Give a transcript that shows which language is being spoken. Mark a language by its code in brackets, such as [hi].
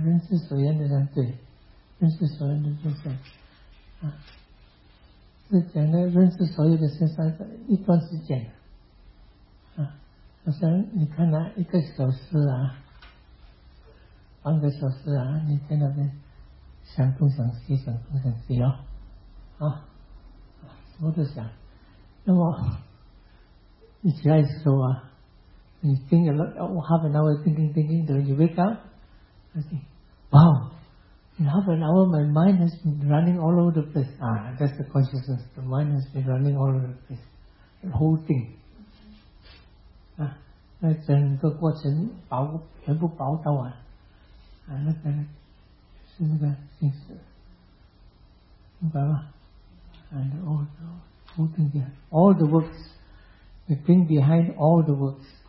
[zh] 认识所有的现象，是讲的认识所有的现象是一段时间，好像你看了一个小时啊，半个小时啊，你在那边想东想西，想东想西哦，什么都想，那么 [en] It's like, so you think a lot, oh, half an hour thinking, then you wake up, I think, wow, in half an hour my mind has been running all over the place. Ah, that's the consciousness. The mind has been running all over the place. The whole thing. [zh] Mm-hmm. 那整个过程全部跑到完。那个是那个心思，明白吗？ [en] And all the works, the thing behind all the works.